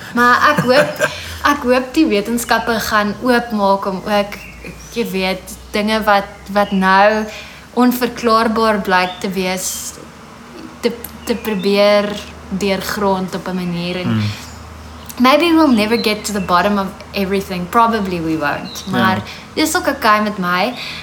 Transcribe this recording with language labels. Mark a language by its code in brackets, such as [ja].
[af] Maar ek hoop die wetenskappe gaan oopmaak om ook, jy weet, dinge wat nou onverklaarbaar blyk te wees, te probeer deurgrond op 'n manier. En [en] maybe we'll never get to the bottom of everything. Probably we won't. [af] Maar dit is ook okay met my.